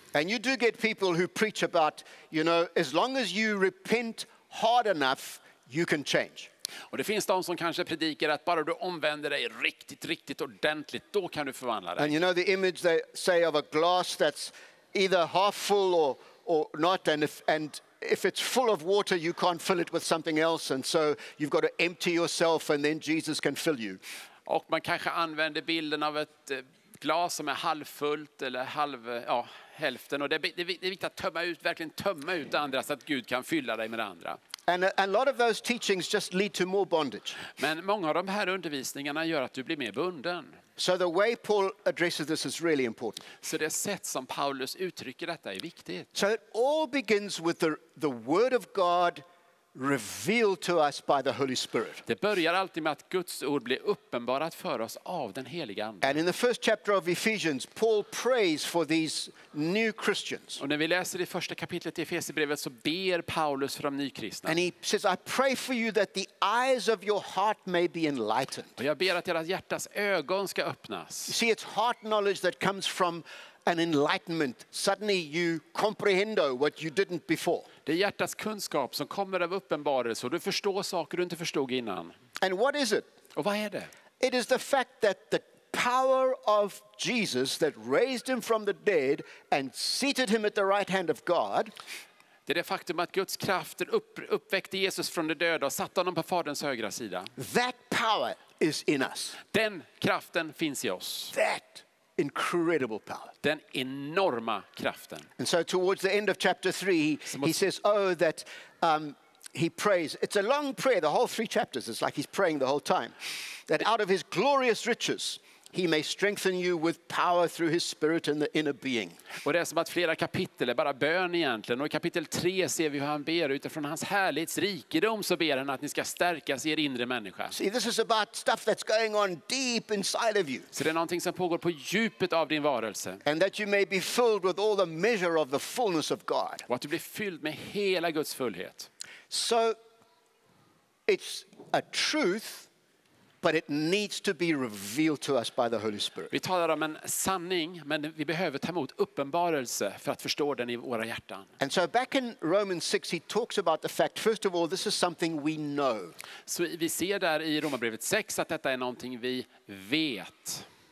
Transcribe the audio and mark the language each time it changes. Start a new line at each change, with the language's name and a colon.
English: And you do get people who preach about, you know, as long as you repent hard enough, you can change.
Swedish: Och det finns de som kanske predikar att bara du omvänder dig riktigt, riktigt ordentligt, då kan du förvandla dig.
English: And you know the image they say of a glass that's either half full or not, and if it's full of water you can't fill it with something else, and so you've got to empty yourself and then Jesus can fill you.
Swedish: Och man kanske använder bilden av ett glas som är halvfullt eller halv, ja, hälften, och det är viktigt att verkligen tömma ut andra så att Gud kan fylla dig med andra.
English: And a lot of those teachings just lead to more bondage.
Swedish: Men många av de här undervisningarna gör att du blir mer bunden.
English: So the way Paul addresses this is really important.
Swedish: Så det sätt som Paulus uttrycker detta är viktigt.
English: So it all begins with the word of God revealed to us by the Holy Spirit.
Swedish: Det börjar alltid med att Guds ord blir uppenbarat för oss av den helige Ande.
English: And in the first chapter of Ephesians, Paul prays for these new Christians.
Swedish: Och när vi läser det första kapitlet I Efesierbrevet så ber Paulus för de nykristna.
English: And he says, I pray for you that the eyes of your heart may be enlightened.
Swedish: Och jag ber att era hjärtas ögon ska öppnas.
English: You see, it's heart knowledge that comes from an enlightenment. Suddenly you comprehendo what you didn't before.
Swedish: Det är hjärtats kunskap som kommer av uppenbarelse, och du förstår saker du inte förstod innan.
English: And what is it?
Swedish: Och vad är det?
English: It is the fact that the power of Jesus that raised him from the dead and seated him at the right hand of God.
Swedish: Det är det faktum att Guds kraft uppväckte Jesus från de döda och satte honom på Faderns högra sida.
English: That power is in us.
Swedish: Den kraften finns I oss.
English: That incredible power.
Swedish: Den enorma kraften.
English: And so towards the end of chapter 3 he says, oh, that he prays. It's a long prayer, the whole three chapters. It's like he's praying the whole time. That out of his glorious riches he may strengthen you with power through his spirit in the inner being.
Swedish: Och det är som att flera kapitel är bara bön egentligen. Och I kapitel 3 ser vi hur han ber utifrån hans härlighetsrikedom, så ber han att ni ska stärkas I er inre människa.
English: See, this is about stuff that's going on deep inside of you.
Swedish: Så det är någonting som pågår på djupet av din varelse.
English: And that you may be filled with all the measure of the fullness of God.
Swedish: Och att du blir fylld med hela Guds fullhet.
English: So it's a truth, but it needs to be revealed to us by the Holy Spirit.
Swedish: Vi talar om en sanning, men vi behöver ta emot uppenbarelse för att förstå den I våra hjärtan.
English: And so back in Romans 6 he talks about the fact, first of all, this is something we know.
Swedish: Så vi ser där I Romarbrevet 6 att detta är någonting vi vet.